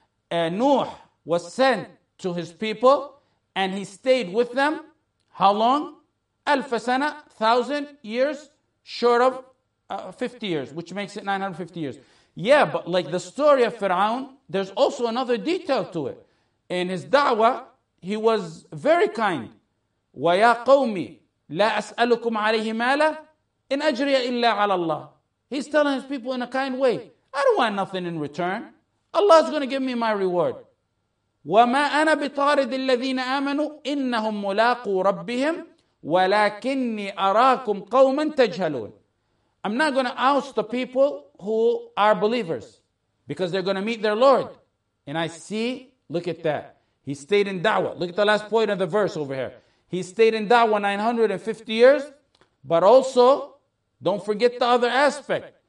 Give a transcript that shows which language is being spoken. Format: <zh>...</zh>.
<en>Nuh was sent to his people, and he stayed with them. How long?</en> <ar>أَلْفَ سَنَةً</ar> <en>1,000 years, short of 50 years, which makes it 950 years. Yeah, but like the story of Fir'aun, there's also another detail to it. In his da'wah, he was very kind.</en> <ar>وَيَا قَوْمِي لا أسألكم عليه مالا إن أجري إلا على الله.</ar> <en>He's telling his people in a kind way, I don't want nothing in return. Allah is going to give me my reward.</en> <ar>وما أنا بطارد الذين آمنوا إنهم ملاقو ربهم ولكني أراكم قوما تجهلون.</ar> <en>I'm not going to oust the people who are believers, because they're going to meet their Lord. And I see, look at that. He stayed in da'wah. Look at the last point of the verse over here. He stayed in da'wah 950 years. But also, don't forget the other aspect.</en>